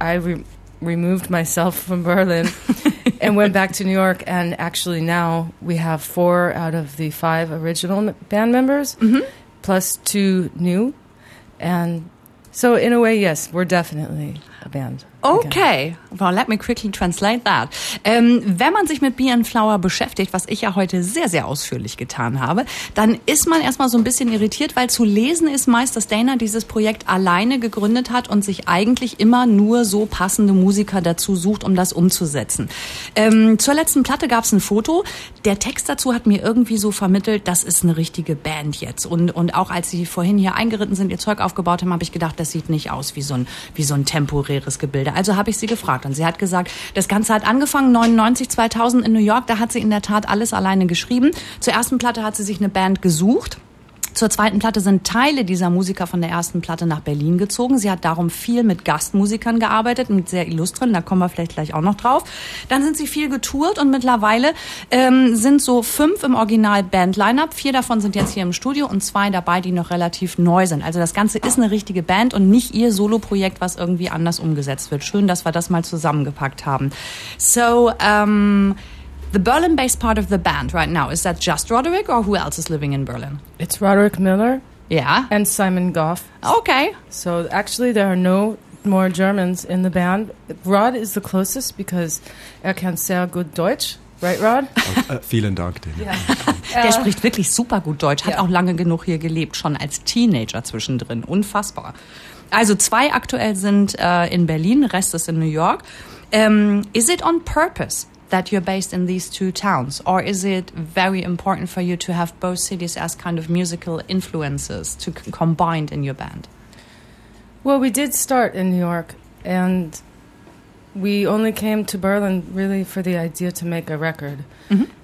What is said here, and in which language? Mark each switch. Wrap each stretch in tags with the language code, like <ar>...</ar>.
<en>I removed myself from Berlin and went back to New York, and actually now we have 4 out of the 5 original band members, mm-hmm. plus 2 new. And so in a way, yes, we're definitely a band. Okay, well, let me quickly translate that.</en> <de>Wenn man sich mit Bee and Flower beschäftigt, was ich ja heute sehr, sehr ausführlich getan habe, dann ist man erstmal so ein bisschen irritiert, weil zu lesen ist meist, dass Dana dieses Projekt alleine gegründet hat und sich eigentlich immer nur so passende Musiker dazu sucht, um das umzusetzen. Zur letzten Platte gab es ein Foto. Der Text dazu hat mir irgendwie so vermittelt, das ist eine richtige Band jetzt. Und auch als sie vorhin hier eingeritten sind, ihr Zeug aufgebaut haben, habe ich gedacht, das sieht nicht aus wie so ein temporäres Gebilde. Also habe ich sie gefragt und sie hat gesagt, das Ganze hat angefangen 99, 2000 in New York, da hat sie in der Tat alles alleine geschrieben. Zur ersten Platte hat sie sich eine Band gesucht. Zur zweiten Platte sind Teile dieser Musiker von der ersten Platte nach Berlin gezogen. Sie hat darum viel mit Gastmusikern gearbeitet, mit sehr illustren, da kommen wir vielleicht gleich auch noch drauf. Dann sind sie viel getourt und mittlerweile sind so 5 im Original-Band-Lineup. 4 davon sind jetzt hier im Studio und 2 dabei, die noch relativ neu sind. Also das Ganze ist eine richtige Band und nicht ihr Solo-Projekt, was irgendwie anders umgesetzt wird. Schön, dass wir das mal zusammengepackt haben.</de> <en>So, the Berlin-based part of the band right now, is that just Roderick or who else is living in Berlin? It's Roderick Miller. Yeah. And Simon Goff. Okay. So actually there are no more Germans in the band. Rod is the closest because</en> <de>kann sehr gut Deutsch.</de> <en>Right, Rod?</en> <de>Vielen Dank, Dana.</de> <en>Yeah.</en> <de>Der spricht wirklich super gut Deutsch, hat auch lange genug hier gelebt, schon als Teenager zwischendrin. Unfassbar. Also 2 aktuell sind in Berlin, Rest ist in New York.</de> <en>Is it on purpose that you're based in these 2 towns, or is it very important for you to have both cities as kind of musical influences to combine in your band? Well, we did start in New York, and we only came to Berlin really for the idea to make a record. Mm-hmm.</en>